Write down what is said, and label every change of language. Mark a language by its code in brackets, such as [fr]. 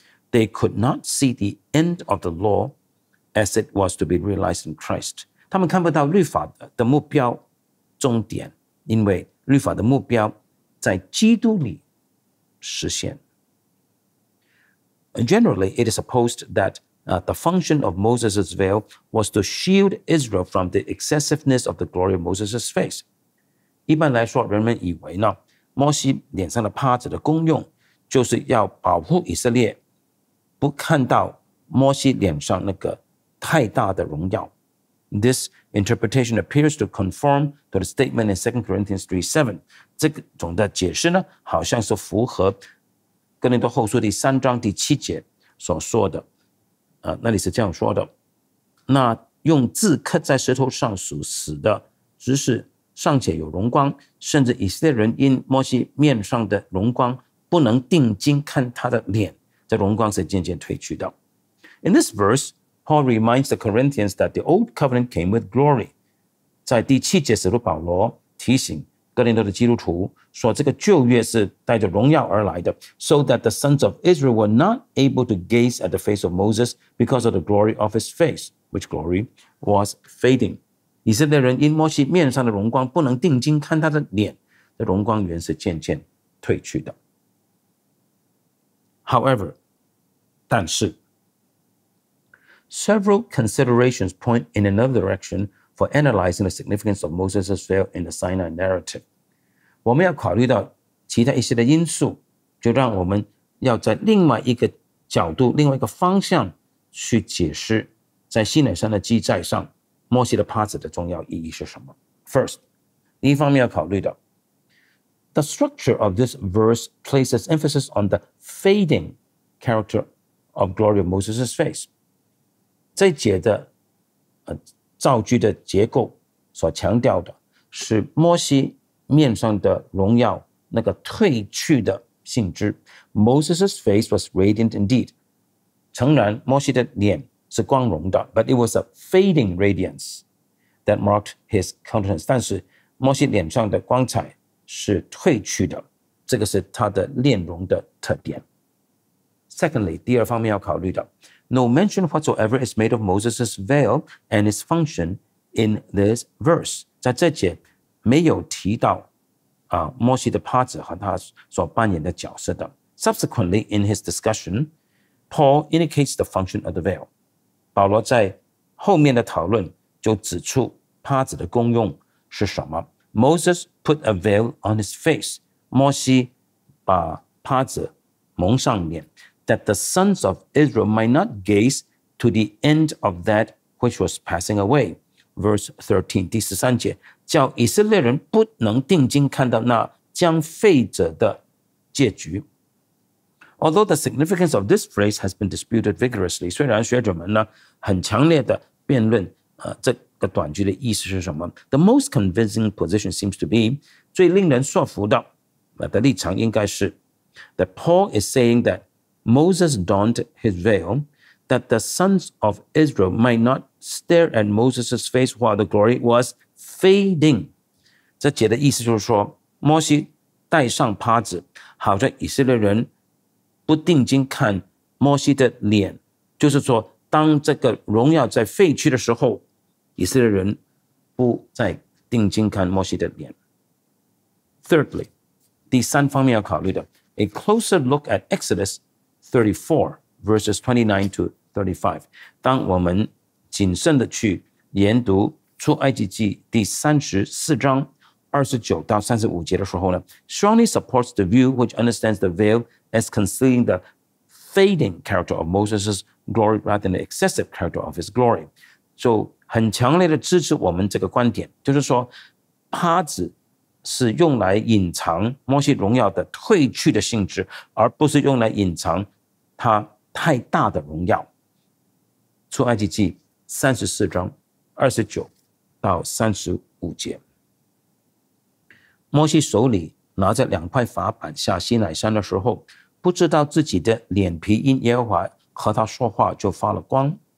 [en] They could not see the end of the law as it was to be realized in Christ. [zh] 他们看不到律法的目标终点，因为律法的目标在基督里实现。 [en] Generally, it is supposed that the function of Moses' veil was to shield Israel from the excessiveness of the glory of Moses' face. [zh] 一般来说，人们以为呢，摩西脸上的帕子的功用就是要保护以色列不看到摩西脸上那个太大的荣耀。 [en] This interpretation appears to conform to the statement in 2 Corinthians 3:7. [zh] 这种的解释呢，好像是符合哥林多后书第三章第七节所说的，那里是这样说的，那用字刻在石头上属死的只是尚且有荣光，甚至以色列人因摩西面上的荣光不能定睛看他的脸，这荣光是渐渐褪去的。 [en] In this verse, Paul reminds the Corinthians that the old covenant came with glory. [zh] 在第七节，使徒保罗提醒哥林多的基督徒说，这个旧约是带着荣耀而来的。 [en] So that the sons of Israel were not able to gaze at the face of Moses because of the glory of his face, which glory was fading. [zh] 以色列人因摩西面上的荣光不能定睛看他的脸，这荣光原是渐渐褪去的。 [en] However, [zh] 但是 [en] Several considerations point in another direction for analyzing the significance of Moses' veil in the Sinai narrative. [zh] 我们要考虑到其他一些的因素，就让我们要在另外一个角度，另外一个方向去解释在西乃山的记载上摩西的帕子的重要意义是什么。 [en] First, [zh] 第一方面要考虑的， [en] The structure of this verse places emphasis on the fading character of glory of Moses' face. [zh] 这节的造句的结构所强调的是摩西面上的荣耀那个褪去的性质。 [en] Moses' face was radiant indeed. [zh] 诚然摩西的脸是光荣的， [en] but it was a fading radiance that marked his countenance. [zh] 但是摩西脸上的光彩是褪去的，这个是它的内容的特点。 [en] Secondly, [zh] 第二方面要考虑的， [en] No mention whatsoever is made of Moses' veil and its function in this verse. [zh] 在这节没有提到摩西的帕子和他所扮演的角色的。 [en] Subsequently, in his discussion, Paul indicates the function of the veil. [zh] 保罗在后面的讨论就指出帕子的功用是什么。 [en] Moses put a veil on his face. [zh] 摩西把帕子蒙上面， [en] that the sons of Israel might not gaze to the end of that which was passing away. Verse 13, [zh] 第十三节，叫以色列人不能定睛看到那将废者的结局。 [en] Although the significance of this phrase has been disputed vigorously, [zh] 虽然学者们呢很强烈的辩论这个短句的意思是什么， [en] The most convincing position seems to be, [zh] 最令人说服的的立场应该是 [en] that Paul is saying that Moses donned his veil that the sons of Israel might not stare at Moses' face while the glory was fading. [zh] 这节的意思就是说摩西戴上帕子好像以色列人不定睛看摩西的脸，就是说当这个荣耀在废去的时候以色列人不再定睛看摩西的脸。 [en] Thirdly, [zh] 第三方面要考虑的， [en] A closer look at Exodus 34 verses 29 to 35. [zh] 当我们谨慎的去研读出埃及记第34章29到35节的时候呢， [en] strongly supports the view which understands the veil as concealing the fading character of Moses' glory rather than the excessive character of his glory. [zh] 就很强烈的支持我们这个观点，就是说帕子是用来隐藏摩西荣耀的褪去的性质，而不是用来隐藏他太大的荣耀。出埃及记34章29到35节，摩西手里拿着两块法板下西乃山的时候，不知道自己的脸皮因耶和华和他说话就发了光。